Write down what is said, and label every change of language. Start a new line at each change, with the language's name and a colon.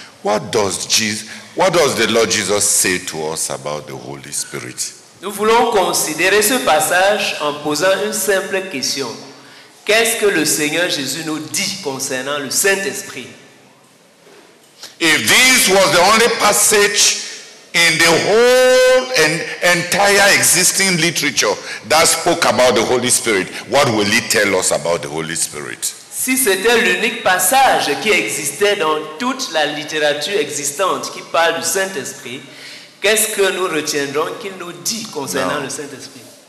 English: What does the Lord Jesus say to us about the Holy Spirit?
French: Nous voulons considérer ce passage en posant une simple question. Qu'est-ce que le Seigneur Jésus nous dit concernant le Saint-Esprit?
English: If this was the only passage in the whole and entire existing literature that spoke about the Holy Spirit, what will it tell us about the Holy Spirit?
French: Si c'était l'unique passage qui existait dans toute la littérature existante qui parle du Saint-Esprit, qu'est-ce que nous retiendrons qu'il nous dit concernant le Saint-Esprit?